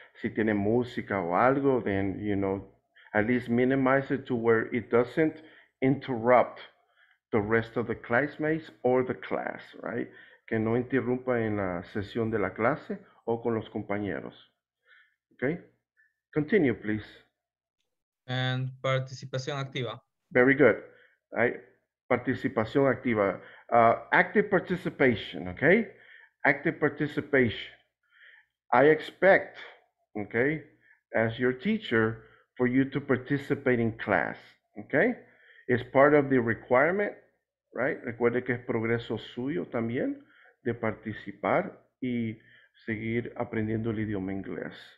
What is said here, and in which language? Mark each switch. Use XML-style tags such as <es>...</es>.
<es>Si tiene música o algo,</es> <en>then, you know, at least minimize it to where it doesn't interrupt the rest of the classmates or the class, right?</en> <es>Que no interrumpa en la sesión de la clase o con los compañeros.</es> <en>Okay? Continue, please. And participación activa. Very good. Right? Participación activa. Active participation, okay? Active participation. I expect, okay, as your teacher, for you to participate in class, okay? It's part of the requirement. Right?</en> <es>Recuerde que es progreso suyo también de participar y seguir aprendiendo el idioma inglés.</es>